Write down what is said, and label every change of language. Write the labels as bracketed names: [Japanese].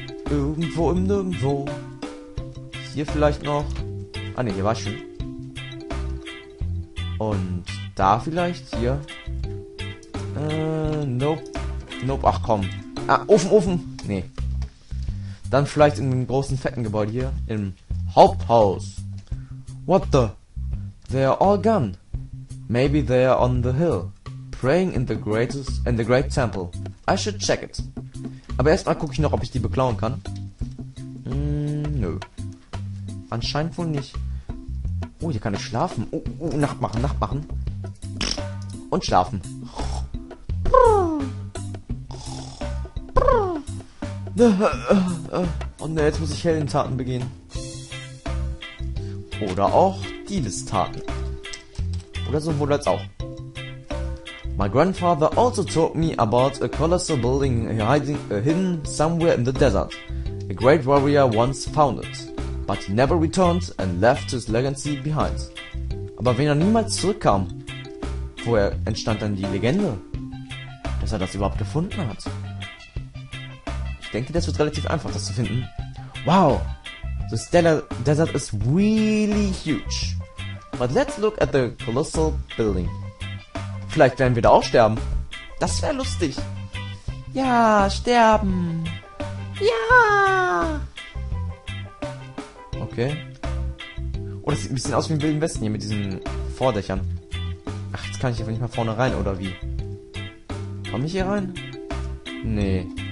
[German] Irgendwo im Nirgendwo. Hier vielleicht noch. Ah ne, hier war ich schon. Und da vielleicht, hier. Nope. Nope, ach komm. Ah, Ofen, Ofen. Nee. Dann vielleicht in dem großen fetten Gebäude hier. Im Haupthaus. [English] What the? They are all gone. Maybe they are on the hill. Praying in the great temple. I should check it. [German] Aber erstmal gucke ich noch, ob ich die beklauen kann. Nö. Anscheinend wohl nicht. Oh, hier kann ich schlafen. Oh, Nacht machen, Nacht machen. Und schlafen. Oh ne, jetzt muss ich Heldentaten begehen. Oder auch Diebestaten. Oder sowohl als auch. [English] My grandfather also told me about a colossal building hiding, hidden somewhere in the desert. A great warrior once found it, but he never returned and left his legacy behind. [German] Aber wenn er niemals zurückkam, woher entstand dann die Legende, dass er das überhaupt gefunden hat? Ich denke, das wird relativ einfach, das zu finden. Wow! [English] The Stellar Desert is really huge. But let's look at the colossal building. [German] Vielleicht werden wir da auch sterben. Das wäre lustig. Ja, sterben. Ja. Okay. Oh, das sieht ein bisschen aus wie im Wilden Westen hier mit diesen Vordächern. Ach, jetzt kann ich einfach nicht mal vorne rein, oder wie? Komm ich hier rein? Nee.